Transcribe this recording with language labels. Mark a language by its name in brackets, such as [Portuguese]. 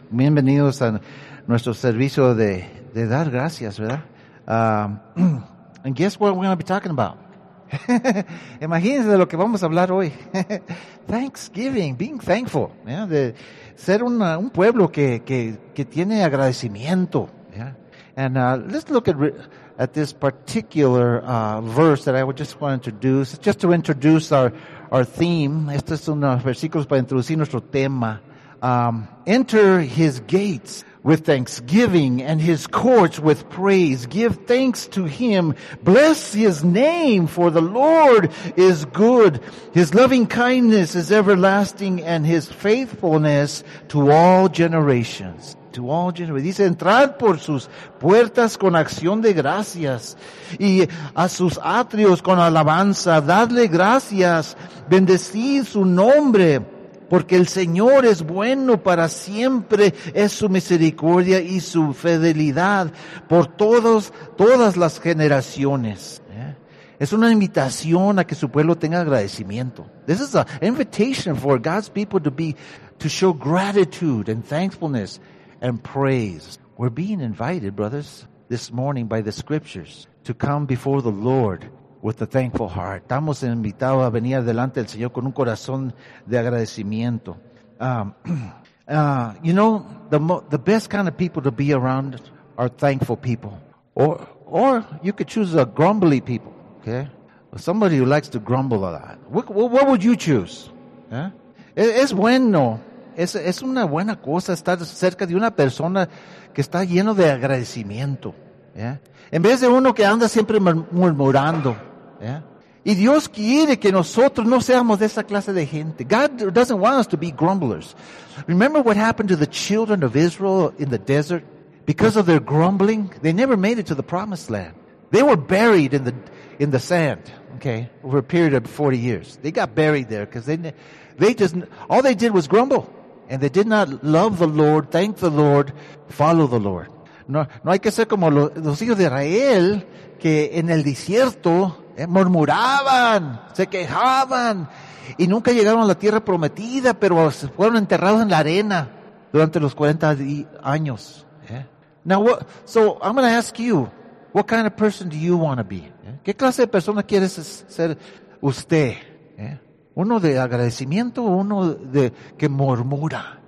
[Spanish] Bienvenidos a nuestro servicio de dar gracias, ¿verdad? [English] And guess what we're going to be talking about? [Spanish] Imagínense de lo que vamos a hablar hoy. [English] Thanksgiving, being thankful. [Spanish] Yeah? De ser un pueblo que tiene agradecimiento. Yeah? [English] And let's look at this particular verse that I would just want to introduce, just to introduce our theme. [Spanish] Este es un versículo para introducir nuestro tema. [English] Enter his gates with thanksgiving and his courts with praise. Give thanks to him. Bless his name, for the Lord is good. His loving kindness is everlasting and his faithfulness to all generations. To all generations. [Spanish] Dice, entrad por sus puertas con acción de gracias y a sus atrios con alabanza. Dadle gracias. Bendecid su nombre. Porque el Señor es bueno para siempre, es su misericordia y su fidelidad por todas las generaciones. Es una invitación a que su pueblo tenga agradecimiento. [English] This is an invitation for God's people to show gratitude and thankfulness and praise. We're being invited, brothers, this morning by the scriptures to come before the Lord with a thankful heart. [Spanish] Estamos invitados a venir adelante del Señor con un corazón de agradecimiento. [English] You know, the best kind of people to be around are thankful people. Or you could choose a grumbly people, okay? Somebody who likes to grumble a lot. What would you choose? Yeah? [Spanish] Es bueno. Es una buena cosa estar cerca de una persona que está lleno de agradecimiento. Yeah? En vez de uno que anda siempre murmurando. Yeah. Y Dios quiere que nosotros no seamos de esa clase de gente. [English] God doesn't want us to be grumblers. Remember what happened to the children of Israel in the desert? Because of their grumbling, they never made it to the promised land. They were buried in the sand, okay, over a period of 40 years. They got buried there because all they did was grumble. And they did not love the Lord, thank the Lord, follow the Lord. [Spanish] No hay que ser como los hijos de Israel que en el desierto murmuraban, se quejaban y nunca llegaron a la tierra prometida, pero se fueron enterrados en la arena durante los 40 años. Yeah. [English] Now, so I'm going to ask you, what kind of person do you want to be? [Spanish] Yeah. ¿Qué clase de persona quieres ser usted? Yeah. ¿Uno de agradecimiento o uno de que murmura?